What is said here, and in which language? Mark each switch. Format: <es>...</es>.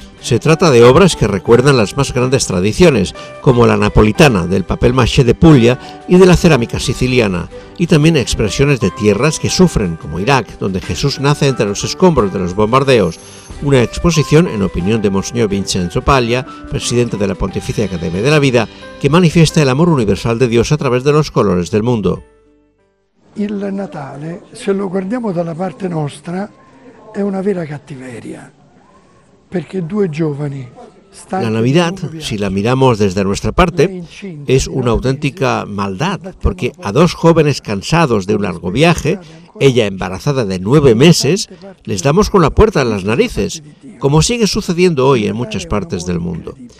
<es>Se trata de obras que recuerdan las más grandes tradiciones, como la napolitana, del papel maché de Puglia y de la cerámica siciliana, y también expresiones de tierras que sufren, como Irak, donde Jesús nace entre los escombros de los bombardeos. Una exposición, en opinión de Monseñor Vincenzo Paglia, presidente de la Pontificia Academia de la Vida, que manifiesta el amor universal de Dios a través de los colores del mundo.</es> <it>Il Natale, se lo guardiamo dalla parte nostra, è una vera cattiveria, perché due giovani.</it> <es>La Navidad, si la miramos desde nuestra parte, es una auténtica maldad, porque a dos jóvenes cansados de un largo viaje, ella embarazada de 9 meses, les damos con la puerta en las narices, como sigue sucediendo hoy en muchas partes del mundo.</es>